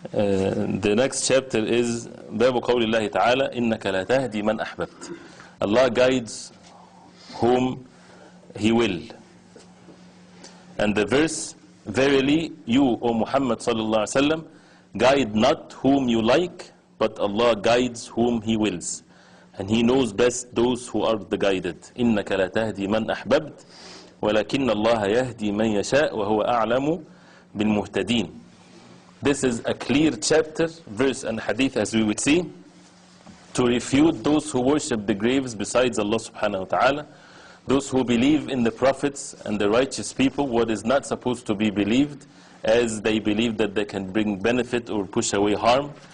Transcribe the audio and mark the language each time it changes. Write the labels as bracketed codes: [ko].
[en] The next chapter is [ar] باب قول الله تعالى إنك لا تهدي من أحببت. [en] Allah guides whom He will. And the verse, verily you, O Muhammad [ar] صلى الله عليه وسلم, [en] guide not whom you like, but Allah guides whom He wills. And He knows best those who are the guided. [ar] إنك لا تهدي من أحببت ولكن الله يهدي من يشاء وهو أعلم بالمهتدين. [en] This is a clear chapter, verse and hadith, as we would see, to refute those who worship the graves besides Allah subhanahu wa ta'ala, those who believe in the prophets and the righteous people, what is not supposed to be believed, as they believe that they can bring benefit or push away harm.